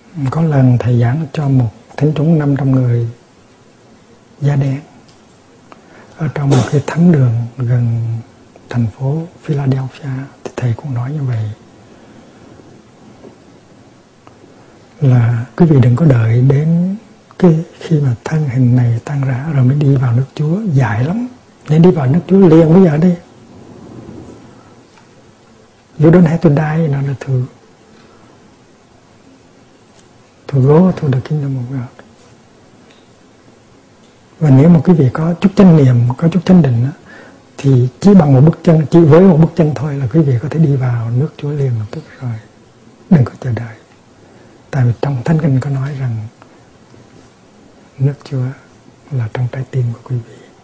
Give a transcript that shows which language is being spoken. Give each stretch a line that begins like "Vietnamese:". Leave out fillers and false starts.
Vietnamese: Có lần thầy giảng cho một thính chúng 500 người da đen ở trong một cái thánh đường gần thành phố Philadelphia, thì thầy cũng nói như vậy là quý vị đừng có đợi đến cái khi mà thân hình này tan rã rồi mới đi vào nước Chúa, dài lắm, nên đi vào nước Chúa liền bây giờ đi.
English: You don't have to die in order to go to the kingdom of God.
Vietnamese: Và nếu mà quý vị có chút chánh niệm, có chút chánh định thì chỉ bằng một bước chân, chỉ với một bước chân thôi là quý vị có thể đi vào nước Chúa liền lập tức rồi. Đừng có chờ đợi. Tại vì trong thánh kinh có nói rằng nước Chúa là trong trái tim của quý vị.